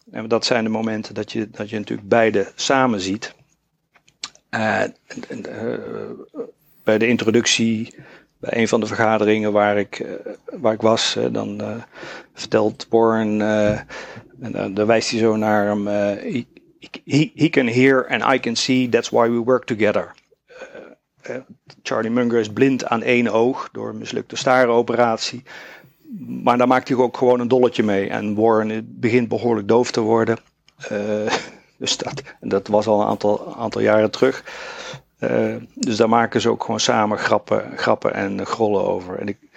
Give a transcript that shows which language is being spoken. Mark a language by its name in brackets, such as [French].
[Dutch] En dat zijn de momenten dat je natuurlijk beide samen ziet. Bij de introductie, bij een van de vergaderingen waar ik was, dan vertelt Born, dan wijst hij zo naar hem. [English] He can hear and I can see, that's why we work together. [Dutch] Charlie Munger is blind aan één oog door een mislukte staaroperatie. Maar daar maakt hij ook gewoon een dolletje mee. En Warren begint behoorlijk doof te worden. Dus dat was al een aantal jaren terug. Dus daar maken ze ook gewoon samen grappen en grollen over.